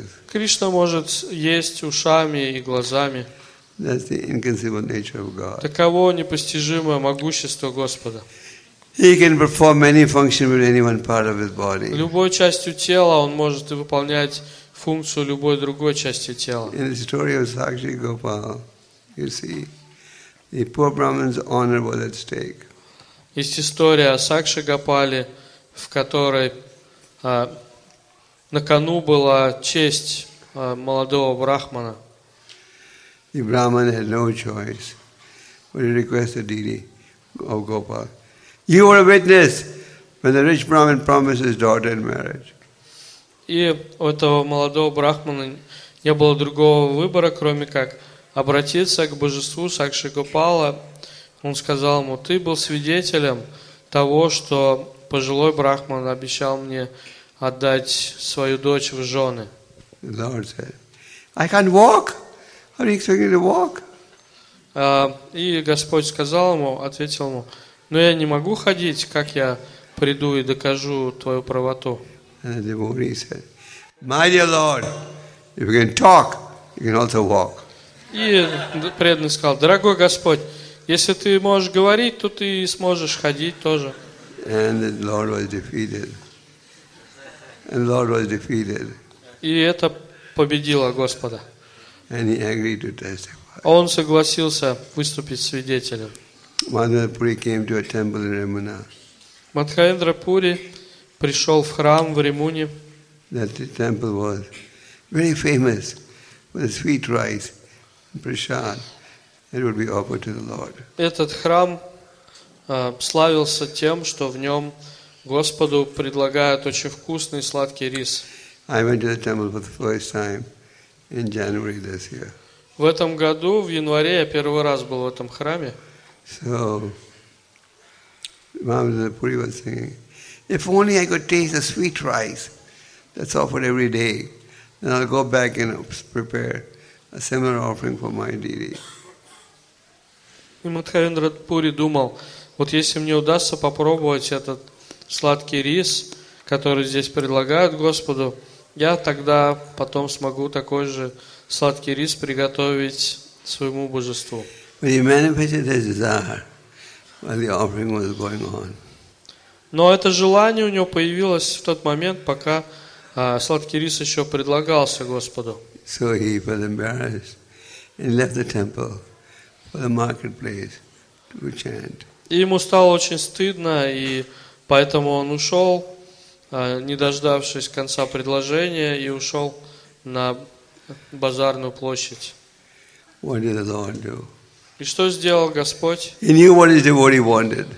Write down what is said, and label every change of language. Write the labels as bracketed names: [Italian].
[Russian] Кришна может есть ушами и глазами. [English] That's the inconceivable nature of God. [Russian] Таково непостижимое могущество Господа. [English] He can perform many functions with any one part of his body. [Russian] Любой частью тела он может выполнять функцию любой другой части тела. [English] In the story of Sakshi Gopal, you see, the poor Brahmin's honor was at stake. [Russian] Есть история о Сакши Гопале, в которой на кону была честь молодого брахмана. [English] The Brahman had no choice but to request the deity of Gopal. You are a witness when the rich Brahman promised his daughter in marriage. [Russian] И у этого молодого брахмана не было другого выбора, кроме как обратиться к божеству Сакши Гопала. Он сказал ему, ты был свидетелем того, что пожилой брахман обещал мне отдать свою дочь в жены. [English] The Lord said, I can't walk. How are you expecting to walk? [Russian] И Господь сказал ему, ответил ему, но я не могу ходить, как я приду и докажу твою правоту. [English] And the devotee said, my dear Lord, if you can talk, you can also walk. [Russian] И преданный сказал, дорогой Господь, если ты можешь говорить, то ты сможешь ходить тоже. [English] And the Lord was defeated. And the Lord was defeated. [Russian] И это победило Господа. [English] And he agreed to testify. [Russian] Он согласился выступить свидетелем. [English] Madhavendra Puri came to a temple in Ramana. [Russian] Madhavendra Puri пришел в храм в Римуне. [English] That temple was very famous for the sweet rice and prasad that would be offered to the Lord. [Russian] Этот храм славился тем, что в нем Господу предлагают очень вкусный сладкий рис. [English] I went to the temple for the first time in January this year. [Russian] В этом году, в январе, я первый раз был в этом храме. [English] So, Madhavendra Puri was singing, if only I could taste the sweet rice that's offered every day, then I'll go back and prepare a similar offering for my deity. [Russian] И Madhavendra Puri думал, вот если мне удастся попробовать этот сладкий рис, который здесь предлагают Господу, я тогда потом смогу такой же сладкий рис приготовить своему божеству. [English] But he manifested his desire while the offering was going on. [Russian] Но это желание у него появилось в тот момент, пока сладкий рис еще предлагался Господу. [English] So he felt embarrassed and left the temple for the marketplace to chant. [Russian] И ему стало очень стыдно, и поэтому он ушел, не дождавшись конца предложения, и ушел на базарную площадь. [English] What did the Lord do? [Russian] И что сделал Господь? [English] He knew what his devotee wanted.